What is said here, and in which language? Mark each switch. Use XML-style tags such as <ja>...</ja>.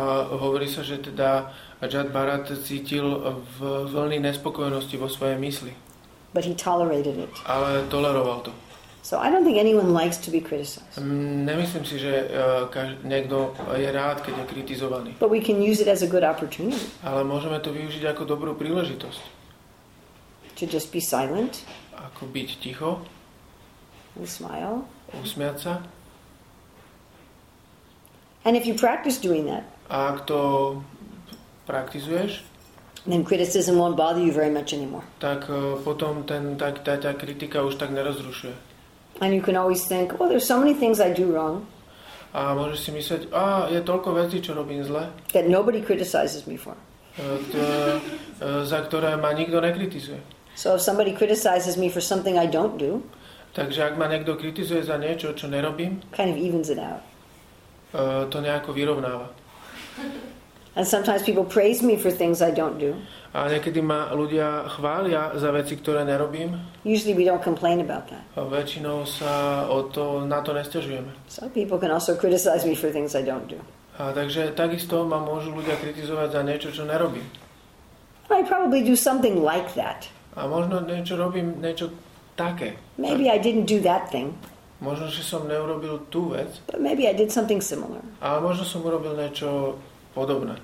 <sk>Hovorí sa, že teda Jad Bharat cítil vlny nespokojnosti vo svojej mysli.</sk> <en>But he tolerated it.</en> <sk>Ale toleroval to.</sk> <en>So I don't think anyone likes to be criticized.</en> <sk>Nemyslím si, že niekto je rád, keď je kritizovaný.</sk> <en>But we can use it as a good opportunity.</en> <sk>Ale môžeme to využiť ako dobrú príležitosť.</sk> <en>To just be silent.</en> <sk>Ako byť ticho.</sk> <en>Usmile.</en> <sk>Usmiať sa.</sk> <en>And if you practice doing that,</en> <sk>a ak to praktizuješ,</sk> <en>then criticism won't bother you very much anymore.</en> <sk>Tak potom tá kritika už tak nerozrušuje.</sk> <en>And you can always think, well, there's so many things I do wrong.</en> <sk>A môžeš si myslieť, a je toľko vecí, čo robím zle.</sk> <en>That nobody criticizes me for.</en> <sk>Za ktoré ma nikto nekritizuje.</sk> <en>So if somebody criticizes me for something I don't do,</en> <sk>takže ak ma niekto kritizuje za niečo, čo nerobím,</sk> <en>kind of evens it out.</en> <sk>To nejako vyrovnáva.</sk> <en>And sometimes people praise me for things I don't do.</en> <sk>A niekedy ma ľudia chvália za veci, ktoré nerobím.</sk> <en>Usually we don't complain about that.</en> <sk>A väčšinou sa na to nesťažujeme.</sk> <en>So people can also criticize me for things I don't do.</en> <sk>A takže takisto ma môžu ľudia kritizovať za niečo, čo nerobím.</sk> <en>I probably do something like that.</en> <sk>A možno niečo robím, niečo také.</sk> <en>Maybe I didn't do that thing.</en> <sk>Možno, že som neurobil tú vec.</sk> <en>But maybe I did something similar.</en> <sk>A možno som urobil niečo podobné.</sk>